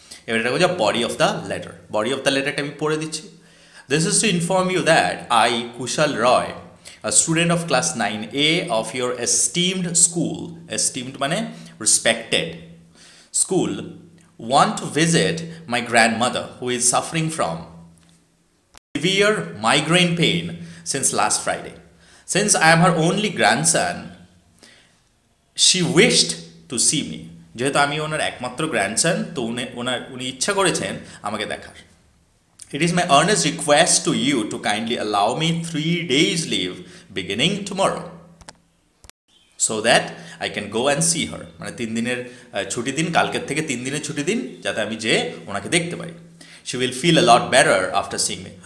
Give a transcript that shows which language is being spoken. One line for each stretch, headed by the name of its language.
Bangla: এবার এটা হচ্ছে
English: Body of the letter. Body of the লেটারটা
Bangla: আমি পড়ে দিচ্ছি,
English: This is to inform you that I Kushal Roy, a student of class 9A of your esteemed school, esteemed মানে respected school, want to visit my grandmother who is suffering from severe migraine pain since last Friday. Since I am her only grandson, she wished to see me.
Bangla: যেহেতু আমি ওনার একমাত্র grandson, তো উনি ইচ্ছা করেছেন আমাকে দেখার।
English: It is my earnest request to you to kindly allow me 3 days leave beginning tomorrow, so that I can go and see her.
Bangla: মানে 3 দিনের ছুটি দিন, কালকের থেকে 3 দিনের ছুটি দিন, যাতে আমি যে ওনাকে দেখতে পারি।
English: She will feel a lot better after seeing me.